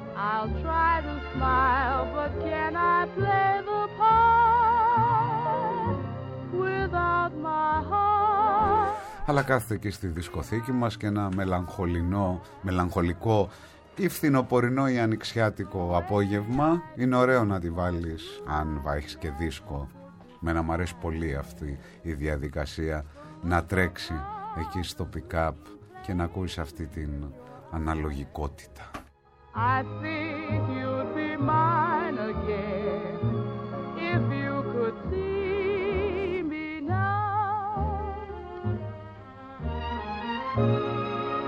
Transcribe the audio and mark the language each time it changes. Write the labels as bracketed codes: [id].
[en] I'll try to smile, but can I play the part without my heart? [el] Αλλά κάθεται και στη δισκοθήκη μας και ένα μελαγχολικό ή φθινοπορεινό ή ανοιξιάτικο απόγευμα. Είναι ωραίο να τη βάλεις αν έχεις και δίσκο. Μένα μου αρέσει πολύ αυτή η διαδικασία να τρέξει εκεί στο pick-up και να ακούεις αυτή την αναλογικότητα. [en] I think you'd be mine again if you could see me now.